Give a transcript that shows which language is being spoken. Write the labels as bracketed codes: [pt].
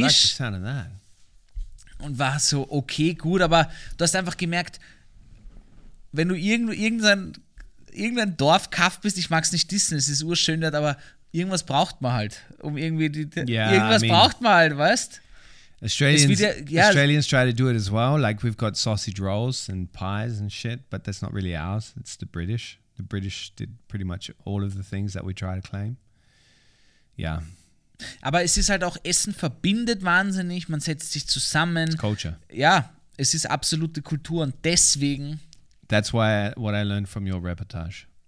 [en] I like the sound of that. [de] Und war so, okay, gut, aber du hast einfach gemerkt, wenn du irgendein Dorfkaff bist, ich mag es nicht dissen, es ist urschön, aber irgendwas braucht man halt, um irgendwie braucht man halt, weißt? [en] Australians try to do it as well, like we've got sausage rolls and pies and shit, but that's not really ours, it's the British. The British did pretty much all of the things that we try to claim. [de] Ja. Aber es ist halt auch, Essen verbindet wahnsinnig, man setzt sich zusammen. [en] It's culture. [de] Ja, es ist absolute Kultur und deswegen. [en] That's why what I learned from your reportage.